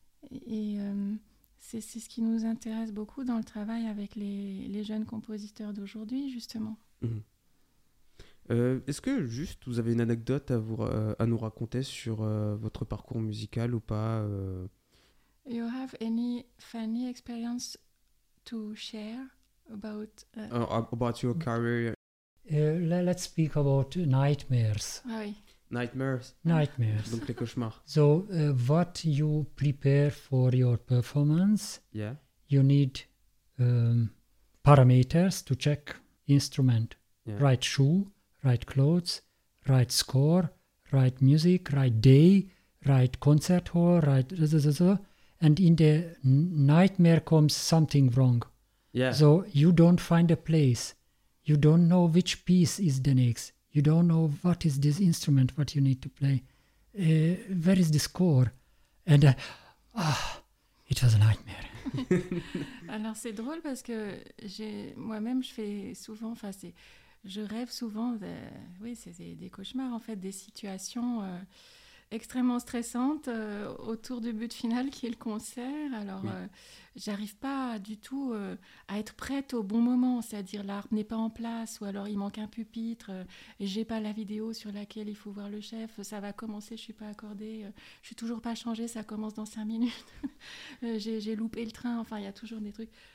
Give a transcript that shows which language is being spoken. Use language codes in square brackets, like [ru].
[fr] Et c'est ce qui nous intéresse beaucoup dans le travail avec les jeunes compositeurs d'aujourd'hui, justement. Est-ce que, juste, vous avez une anecdote à nous raconter sur votre parcours musical ou pas [en] You have any funny experience to share about About your career? Let's speak about nightmares. [fr] Nightmares. Donc les cauchemars. [en] So what you prepare for your performance? Yeah. You need parameters to check instrument. Yeah. Right shoe, right clothes, right score, right music, right day, right concert hall, right. And in the nightmare comes something wrong. Yeah. So you don't find a place, you don't know which piece is the next, you don't know what is this instrument what you need to play, where is the score, and it was a nightmare. [fr] Alors c'est drôle parce que moi-même je fais souvent, je rêve souvent, c'est des cauchemars en fait, des situations extrêmement stressante autour du but final qui est le concert. Alors, j'arrive pas du tout à être prête au bon moment, c'est-à-dire l'arbre n'est pas en place ou alors il manque un pupitre, j'ai pas la vidéo sur laquelle il faut voir le chef, ça va commencer, je suis pas accordée, je suis toujours pas changée, ça commence dans 5 minutes, j'ai loupé le train, enfin il y a toujours des trucs.